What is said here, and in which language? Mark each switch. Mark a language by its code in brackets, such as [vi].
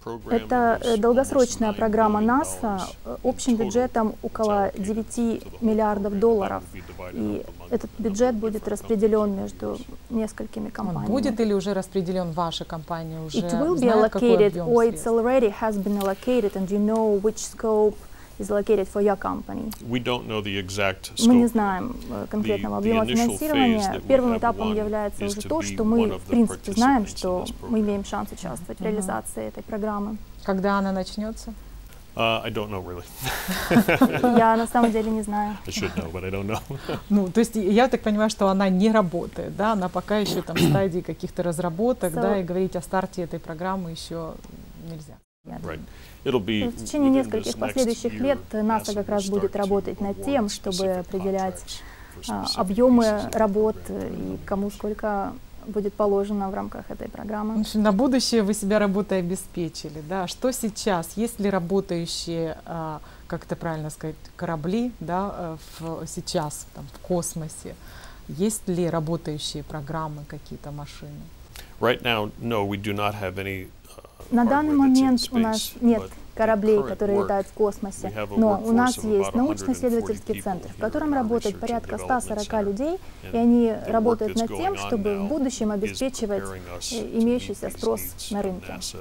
[ru] Это долгосрочная программа НАСА общим бюджетом около 9 миллиардов долларов. И этот бюджет будет распределен между несколькими компаниями. Он будет или уже распределен ваша компания? Уже знает, какой объем средств? [en] It's already has been allocated, and you know which scope is allocated for your company. We don't know the exact scope. [uk] Ми не знаємо конкретного об'єму фінансування. Першим етапом являється вже то, що ми, в принципі, знаємо, що ми маємо шанс участвувати в реалізації цієї програми. [ru] Коли вона почнеться? [en] I don't know really. [ru] Я на самом деле не знаю. [en] I should know, but I don't know. [ru] Ну, то есть я так понимаю, что она не работает, да? Она пока еще там в стадии каких-то разработок, да, и говорить о старте этой программы еще нельзя. [en] Right. It'll be [ru] в течение нескольких последующих лет NASA как раз будет работать над тем, чтобы определять объемы работ и кому сколько будет положено в рамках этой программы. В общем, на будущее вы себя работой обеспечили, да? Что сейчас? Есть ли работающие, как это правильно сказать, корабли, да, сейчас там, в космосе? Есть ли работающие программы, какие-то машины? [en] Right now, no, we do not have any. [ru] На данный момент у нас нет кораблей, которые летают в космосе, но у нас есть научно-исследовательский центр, в котором работает порядка 140 людей, и они работают над тем, чтобы в будущем обеспечивать имеющийся спрос на рынке.